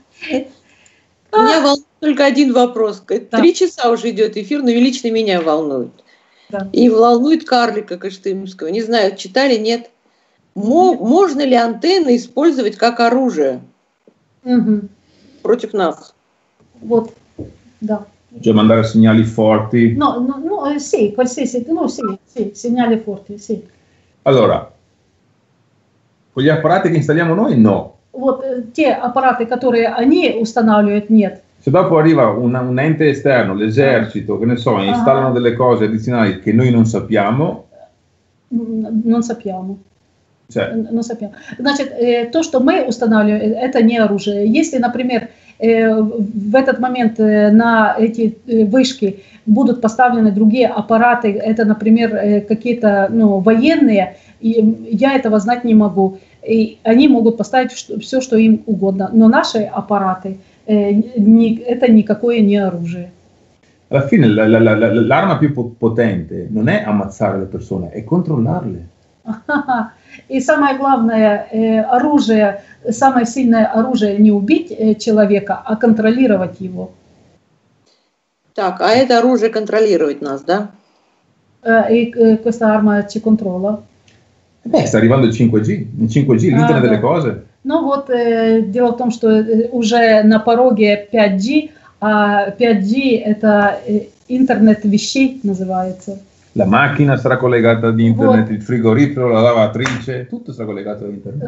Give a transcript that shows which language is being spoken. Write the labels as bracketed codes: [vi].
[ru] Меня волнует только один вопрос. Да. 3 часа уже идет эфир, но лично меня волнует. Да. И волнует карлика Кыштымского. Не знаю, читали, нет. Можно ли антенны использовать как оружие? Угу. Против нас. Вот, да. [it] Cioè mandare segnali forti. No, sì, qualsiasi, no, sì, segnali forti, sì. Allora, con gli apparati che installiamo noi, no. [ru] Вот те апараты, которые они устанавливают, нет. [it] Se dopo arriva un ente esterno, l'esercito, che ne so, installano delle cose addizionali che noi non sappiamo. Non sappiamo. Cioè. Non sappiamo. [ru] Значит, то, что мы устанавливаем, это не оружие. Если, например, в этот момент на эти вышки будут поставлены другие аппараты, это, например, какие-то, ну, военные, и я этого знать не могу. И они могут поставить все, что им угодно. Но наши аппараты, это никакое не оружие. [it] Alla fine, l'arma più potente non è ammazzare le persone, è controllarle. [ru] И самое главное, оружие, самое сильное оружие не убить человека, а контролировать его. Так, а это оружие контролировать нас, да? [it] И questa arma ci controlla. Sta arrivando il 5G, l'internet delle cose. [ru] Ну вот, дело в том, что уже на пороге 5G, а 5G это интернет вещей называется. [it] La macchina sarà collegata ad internet, вот. Il frigorifero, la lavatrice, tutto sarà collegato ad internet.